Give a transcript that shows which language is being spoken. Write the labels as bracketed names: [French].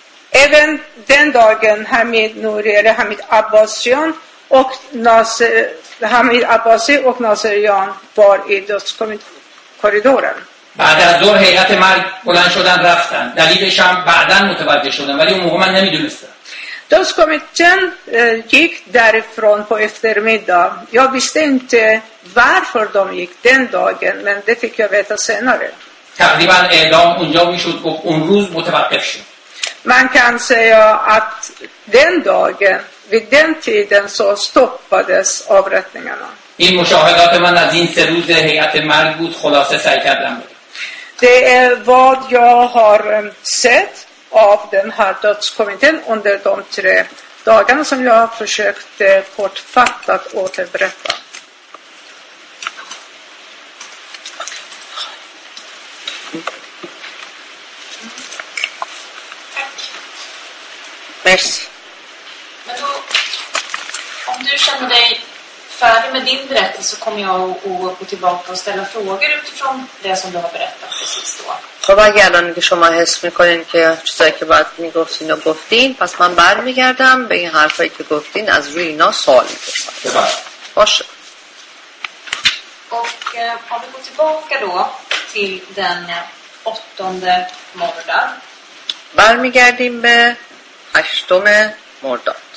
[Swedish] Även den dagen Hamid Nouri eller Hamid Abbasian och Nasser, Hamid Abbasi och Naserian var i dödskorridoren. [Persian] بعد از ظهر هیئت مرگ بلند شدن رفتن. دلیلش هم بعداً متوجه شدن ولی اون موقع من نمیدونستم. [Swedish] Dödskommittén gick därifrån på eftermiddag. Jag visste inte varför de gick den dagen, men det fick jag veta senare. [Persian] تقریباً اعلام اونجا میشد و اون روز متوقف شد. [Swedish] Man kan säga att den dagen, vid den tiden, så stoppades avrättningarna. [Persian] این مشاهدات من از این سه روز هیئت مرگ بود خلاصه سعی کردم. [Swedish] Det är vad jag har sett av den här dödskommittén under de tre dagarna som jag har försökt kortfattat återberätta. [Persian] Merci. [Swedish] Men då, om du känner dig färdig med din berättelse så kommer jag att gå tillbaka och ställa frågor utifrån det som du har berättat precis då. [Persian] خب اگر الان که شما حس میکنین که چیزایی که بعد میگفتین و گفتین پس من بر میگردم به این حرفایی که گفتین از روی اینا سوال میپرسم. باشه. [Swedish] و om vi går tillbaka då till den åttonde mordan. [Persian] بر میگردیم به هشتم مرداد.